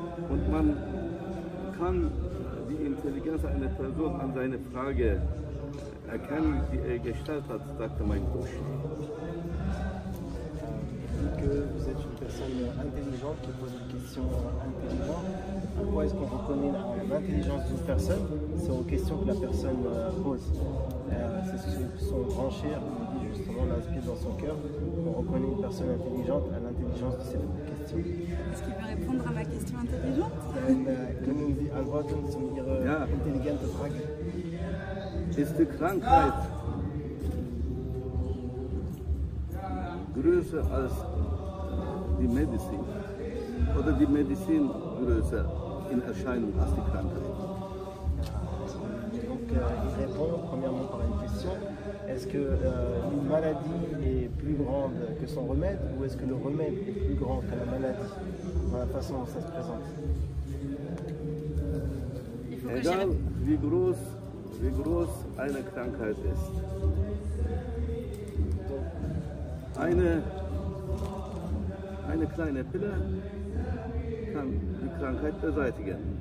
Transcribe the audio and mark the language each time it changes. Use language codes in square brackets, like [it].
[de] Und man kann die Intelligenz einer Person an seine Frage erkennen, die er gestellt hat, sagte mein Coach. Ich denke, Sie sind eine Person intelligente, die pose eine [fr] question intelligente. Pourquoi est-ce qu'on reconnaît l'intelligence d'une personne? C'est aux questions que la personne pose. C'est son grand cher qui dit justement l'aspect dans son cœur. On reconnaît une personne intelligente à l'intelligence de ses questions. Est-ce qu'il va répondre à ma question intelligente? [de] Können Sie antworten zu Ihrer intelligenten Frage? Ist die Krankheit größer als die Medizin? Oder die Medizin größer in Erscheinung als die Krankheit? [fr] Donc, il répond premièrement par une question. Est-ce que une maladie est plus grande que son remède ou est-ce que le remède est plus grand que la maladie dans la façon dont ça se présente? [de] Egal wie groß eine Krankheit ist. Eine kleine Pille kann die Krankheit beseitigen.